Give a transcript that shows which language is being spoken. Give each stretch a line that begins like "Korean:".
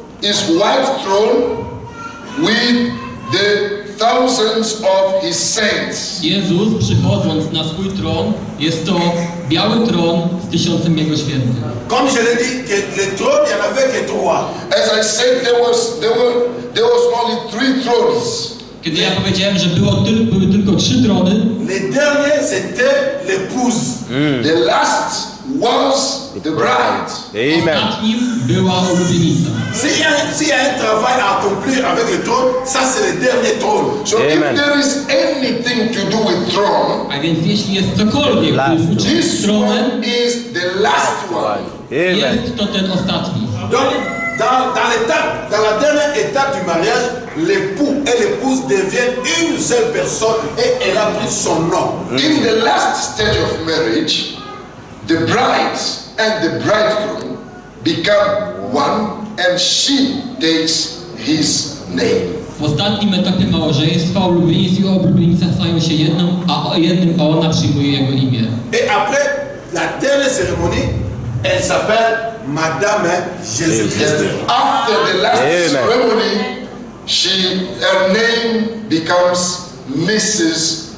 English: His white throne with the thousands of his saints.
Polish: Jezus przychodząc na swój tron, jest to biały tron z tysiącem jego świętych.
French: Comme je l'ai dit, le trône il y en avait que trois.
English: As I said, there was only three thrones.
Polish: Kiedy ja powiedziałem, że były tylko trzy trony.
French: Le dernier c'était l'épouse.
English: The last was the bride. Amen.
Polish: Była oblubienica.
French: S'il y a un travail à accomplir avec le trône, ça c'est le dernier trône.
English: So Amen. If there is anything to do with throne, I mean, this is the last one. This one is the last one. Amen.
French: Donc, dans la dernière étape du mariage, l'époux et l'épouse deviennent une seule personne et elle a pris son nom. Mm-hmm.
English: In the last stage of marriage, the bride and the bridegroom become one. And she takes his name.
Polish: W ostatnim etapie małżeństwa oblubieniec i oblubienica stają się jedną, a jednym ona przyjmuje jego imię.
French: Et après la dernière cérémonie, elle s'appelle Madame Jésus-Christ.
English: After the last ceremony, her name becomes Mrs.